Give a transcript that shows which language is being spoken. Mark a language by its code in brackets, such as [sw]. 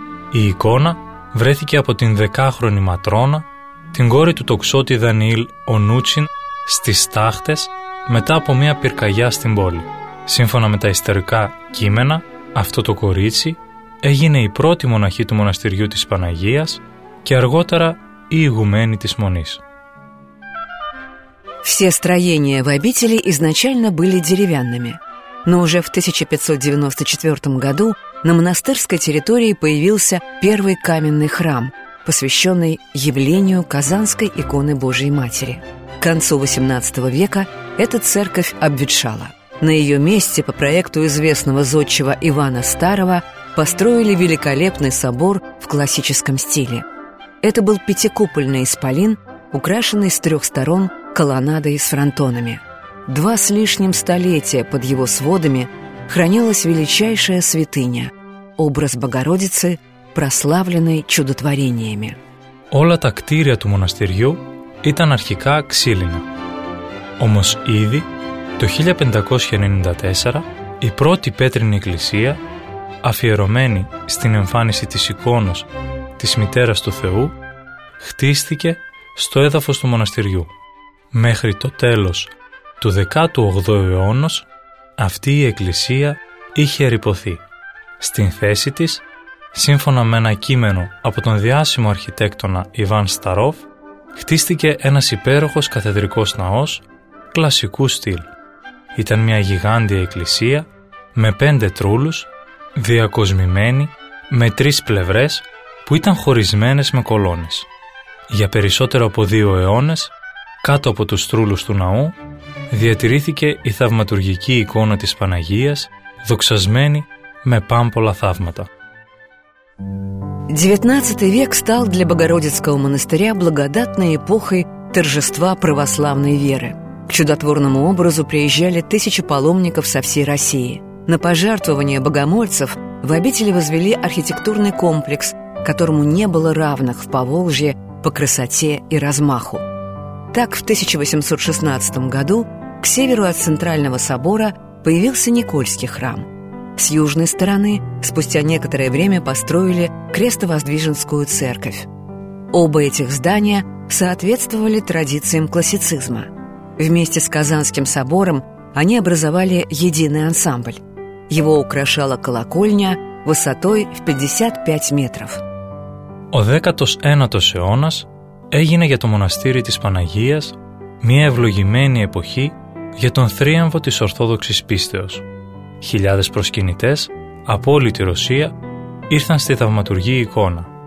[el] Η εικόνα βρέθηκε από την δεκάχρονη Ματρόνα, την κόρη του τοξότη Δανιήλ Ονούτσιν, στις στάχτες μετά από μια πυρκαγιά στην πόλη. Σύμφωνα με τα ιστορικά κείμενα, αυτό το κορίτσι έγινε η πρώτη μοναχή του μοναστηριού της Παναγίας και αργότερα η ηγουμένη της Μονής. [ru] Все строения в обители изначально были деревянными, но уже в 1594 году на монастырской территории появился первый каменный храм, посвященный явлению Казанской иконы Божией Матери. К концу XVIII века эта церковь обветшала. На ее месте по проекту известного зодчего Ивана Старого построили великолепный собор в классическом стиле. Это был пятикупольный исполин, украшенный с трех сторон колоннадой с фронтонами. Два с лишним столетия под его сводами хранилась величайшая святыня – образ Богородицы, прославленной чудотворениями. [el] Όλα τα κτίρια του μοναστηριού ήταν αρχικά ξύλινα. Όμως ήδη το 1594 η πρώτη πέτρινη εκκλησία, αφιερωμένη στην εμφάνιση της εικόνος της Μητέρας του Θεού, χτίστηκε στο έδαφος του μοναστηριού. Μέχρι το τέλος του 18ου αιώνα αυτή η εκκλησία είχε ρυπωθεί. Στην θέση της, σύμφωνα με ένα κείμενο από τον διάσημο αρχιτέκτονα Ιβάν Σταρόφ, χτίστηκε ένας υπέροχος καθεδρικός ναός κλασικού στυλ. Ήταν μια γιγάντια εκκλησία με 5 τρούλους, διακοσμημένη με 3 πλευρές που ήταν χωρισμένες με κολόνες. Για περισσότερο από 2 αιώνες, κάτω από τους τρούλους του ναού, διατηρήθηκε η θαυματουργική εικόνα της Παναγίας, δοξασμένη με πάμπολα θαύματα. [ru] 19 век стал для Богородицкого монастыря благодатной эпохой торжества православной веры. К чудотворному образу приезжали тысячи паломников со всей России. На пожертвование богомольцев в обители возвели архитектурный комплекс, которому не было равных в Поволжье по красоте и размаху. Так в 1816 году к северу от Центрального собора появился Никольский храм. С южной стороны спустя некоторое время построили Крестовоздвиженскую церковь. Оба этих здания соответствовали традициям классицизма. Вместе с Казанским собором они образовали единый ансамбль. Его украшала колокольня высотой в 55 метров. [el] Ο 19ος αιώνας έγινε για το μοναστήρι της Παναγίας μια ευλογημένη εποχή για τον θρίαμβο της Ορθόδοξης πίστεως. Χιλιάδες προσκυνητές από όλη τη Ρωσία ήρθαν στη θαυματουργή εικόνα.